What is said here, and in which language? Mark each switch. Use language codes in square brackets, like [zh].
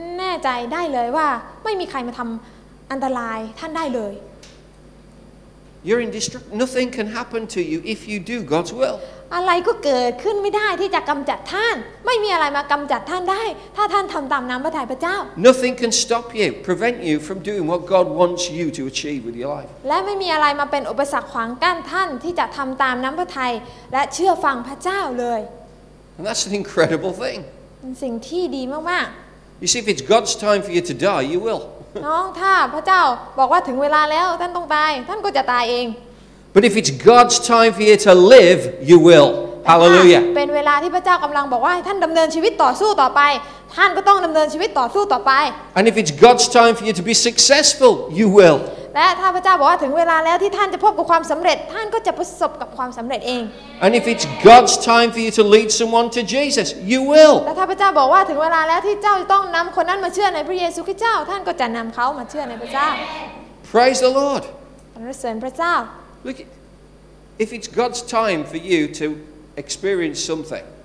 [th] ใจได้เลยว่าไม่มีใครมาทำอันตรายท่านได้เลย [en] You're in district nothing can happen to you if you do God's will [th] อะไรก็เกิดขึ้นไม่ได้ที่จะกำจัดท่านไม่มีอะไรมากำจัดท่านได้ถ้าท่านทำตามน้ำพระทัยพระเจ้า [en] Nothing can stop you prevent you from doing what God wants you to achieve with your life [th] และไม่มีอะไรมาเป็นอุปสรรคขวางกั้นท่านที่จะทำตามน้ำพระทัยและเชื่อฟังพระเจ้าเลย [en] And that's an incredible thing [th] สิ่งที่ดีมากๆ [en] You see if it's God's time for you to die you will [th] น้องถ้าพระเจ้าบอกว่าถึงเวลาแล้วท่านต้องตายท่านก็จะตายเอง [en] But if it's God's time for you to live you will Hallelujah [th] เป็นเวลาที่พระเจ้ากำลังบอกว่าให้ท่านดำเนินชีวิตต่อสู้ต่อไปท่านก็ต้องดำเนินชีวิตต่อสู้ต่อไป [en] And if it's God's time for you to be successful you will [th] และถ้าพระเจ้าบอกว่าถึงเวลาแล้วที่ท่านจะพบกับความสำเร็จท่านก็จะประสบกับความสำเร็จเอง [en] And if it's God's time for you to lead someone to Jesus you will [th] และถ้าพระเจ้าบอกว่าถึงเวลาแล้วที่เจ้าจะต้องนำคนนั้นมาเชื่อในพระเยซูคริสต์เจ้าท่านก็จะนำเขามาเชื่อในพระเจ้า [en] Praise the Lord [th] อันนี้เสริมพระเจ้า [en] Look if it's God's time for you toExperience something.